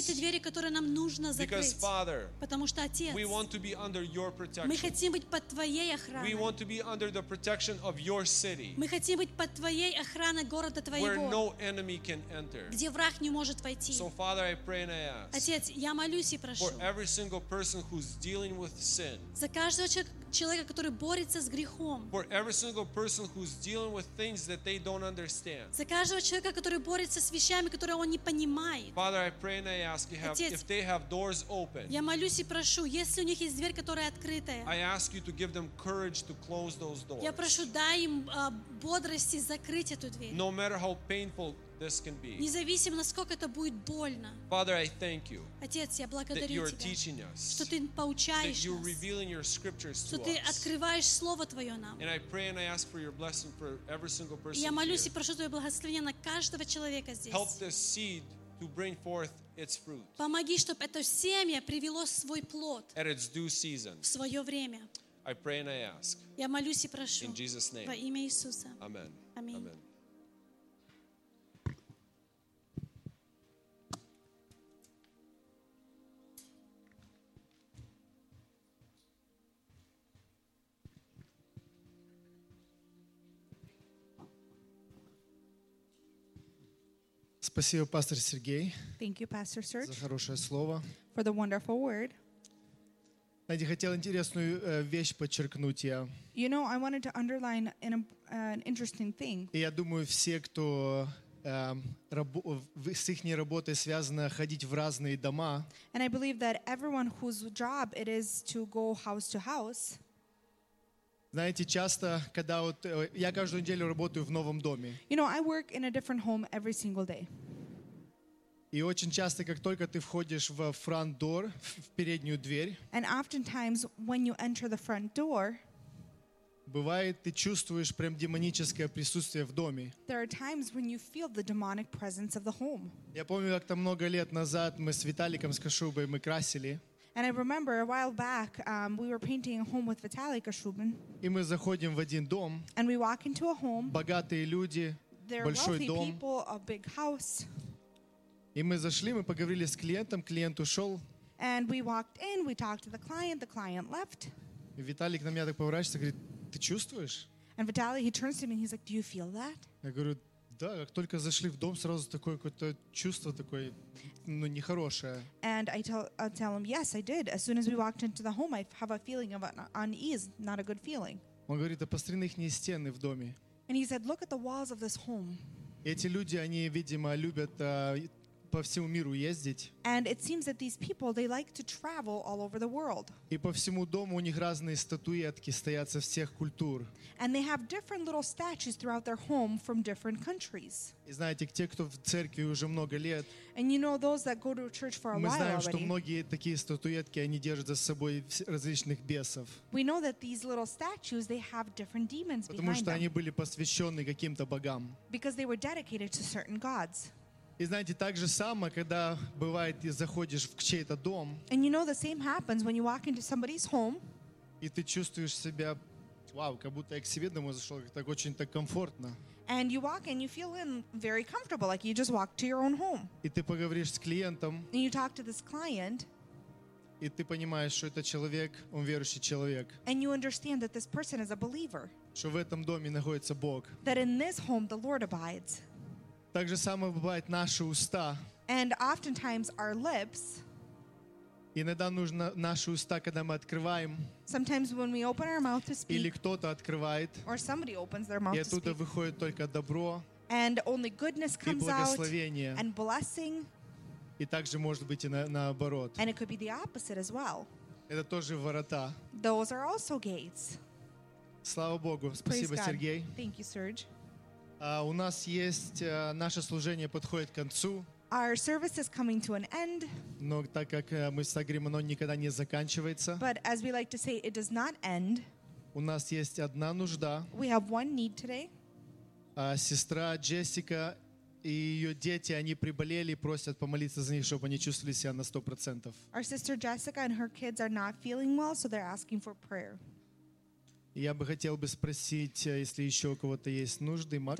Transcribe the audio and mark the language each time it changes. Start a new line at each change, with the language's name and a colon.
English: Because Father, we want to be under your protection. We want to be under the protection of your city, where no enemy can enter. So Father, I pray and I ask for every single person who's dealing with sin,
Russian: человека, который борется с грехом.
English: For every single person who's dealing with things that they don't understand.
Russian: За каждого человека, который борется с вещами, которые он не понимает.
English: Father, I pray and I ask you, if they have doors open.
Russian: Я молюсь и прошу, если у них есть дверь, которая открытая.
English: I ask you to give them courage to close those doors.
Russian: Я прошу, дай им бодрости закрыть эту дверь.
English: No matter how painful this can be.
Russian: Независимо, насколько это будет больно.
English: Father, I thank you.
Russian: Отец, я благодарю тебя.
English: That you're teaching us.
Russian: Что ты поучаешь нас.
English: That you're revealing your scriptures to us.
Russian: Что ты открываешь слово твое нам.
English: And I pray and I ask for your blessing for every single person.
Russian: Я молюсь и прошу твое благословение на каждого человека здесь.
English: Help this seed to bring forth its fruit.
Russian: Помоги, чтобы это семя привело свой плод.
English: At its due season.
Russian: В свое время.
English: I pray and I ask.
Russian: Я молюсь и прошу.
English: In Jesus' name.
Russian: Во имя Иисуса.
English: Amen. Amen. Amen.
Russian: Спасибо, пастор Сергей.
English: Thank you, Pastor Serge.
Russian: За хорошее слово.
English: For the wonderful word.
Russian: Знаете, хотел интересную вещь подчеркнуть я.
English: You know, I wanted to underline an interesting thing.
Russian: И я думаю, все, кто с их работой связано ходить в разные дома.
English: And I believe that everyone whose job it is to go house to house.
Russian: Знаете, часто, когда вот я каждую неделю работаю в новом доме.
English: You know, I work in a different home every single day.
Russian: И очень часто, как только ты входишь в
English: front door,
Russian: в переднюю дверь.
English: And oftentimes, when you enter the front door.
Russian: Бывает, ты чувствуешь прям демоническое присутствие в доме.
English: There are times when you feel the demonic presence of the home.
Russian: Я помню, как-то много лет назад мы с Виталиком, с Кашубой, мы красили.
English: And I remember a while back we were painting a home with Vitaly Kashubin.
Russian: И мы заходим в один дом.
English: And we walk into a home.
Russian: Богатые люди, большой дом.
English: There are wealthy people, a big house.
Russian: И мы зашли, мы поговорили с клиентом, клиент ушел.
English: And we walked in, we talked to the client left.
Russian: И Виталик на меня так поворачивается, говорит: "Ты чувствуешь?"
English: And Vitaly, he turns to me and he's like, "Do you feel that?"
Russian: Я говорю: "Да, как только зашли в дом, сразу такое какое-то чувство такое, ну, нехорошее."
English: And I tell him, "Yes, I did. As soon as we walked into the home, I have a feeling of unease, not a good feeling."
Russian: Он говорит: "А посмотри на их стены в доме."
English: And he said, "Look at the walls of this home."
Russian: Эти люди, они, видимо, любят по всему миру ездить.
English: And it seems that these people, they like to travel all over the world.
Russian: И по всему дому у них разные статуэтки стоят со всех культур.
English: And they have different little statues throughout their home from different countries.
Russian: И знаете, те, кто в церкви уже много лет,
English: and you know those that go to church for a while already,
Russian: мы знаем, что многие такие статуэтки, они держат за собой различных бесов.
English: We know that these little statues, they have different demons behind them.
Russian: Потому что
English: them.
Russian: Они были посвящены каким-то богам.
English: Because they were dedicated to certain gods.
Russian: И знаете, так же самое, когда бывает, ты заходишь в чей-то дом.
English: And you know the same happens when you walk into somebody's home.
Russian: И ты чувствуешь себя, вау, как будто я к себе домой зашел, так очень так комфортно.
English: And you walk in, you feel in very comfortable, like you just walked to your own home.
Russian: И ты поговоришь с клиентом.
English: And you talk to this client.
Russian: и ты понимаешь, что это человек, он верующий человек.
English: And you understand that this person is a believer.
Russian: Что в этом доме находится Бог.
English: That in this home the Lord abides.
Russian: Так же самое бывает наши уста.
English: And oftentimes our lips.
Russian: Иногда нужно наши уста, когда мы открываем.
English: Sometimes when we open our mouth to speak.
Russian: Или кто-то открывает.
English: Or somebody opens their mouth to speak.
Russian: И оттуда выходит только добро.
English: And only goodness comes out.
Russian: И
English: blessing.
Russian: И также может быть и наоборот.
English: And it could be the opposite as well.
Russian: Это тоже ворота.
English: Those are also gates.
Russian: Слава Богу. Спасибо, Сергей.
English: Thank you, Serge.
Russian: У нас есть наше служение подходит к концу.
English: Our service is coming to an end.
Russian: Но так как мы говорим, оно никогда не заканчивается.
English: But as we like to say, it does not end.
Russian: У нас есть одна нужда.
English: We have one need today.
Russian: Сестра Джессика и ее дети, они приболели, просят помолиться за них, чтобы они чувствовали себя на 100%.
English: Our sister Jessica and her kids are not feeling well, so they're asking for prayer.
Russian: Я бы хотел бы спросить, если еще у кого-то есть нужды, Макс?